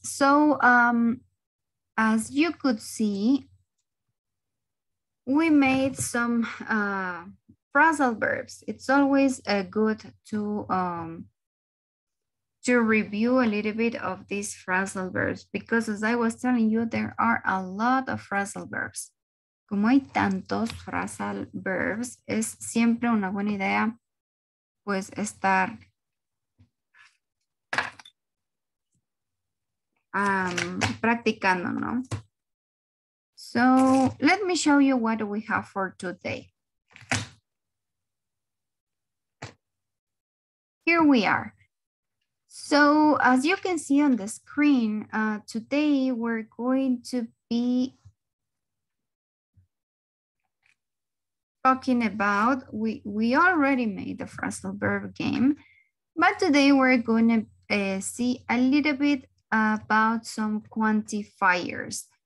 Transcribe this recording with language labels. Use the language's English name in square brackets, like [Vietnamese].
[English] So, as you could see, we made some phrasal verbs. It's always good to review a little bit of these phrasal verbs, because as I was telling you, there are a lot of phrasal verbs. [Spanish] Como hay tantos phrasal verbs, es siempre una buena idea, pues, estar practicando, ¿no? [English] So, let me show you what we have for today. Here we are. So, as you can see on the screen, today we're going to be talking about, we already made the phrasal verb game, but today we're going to see a little bit about some quantifiers.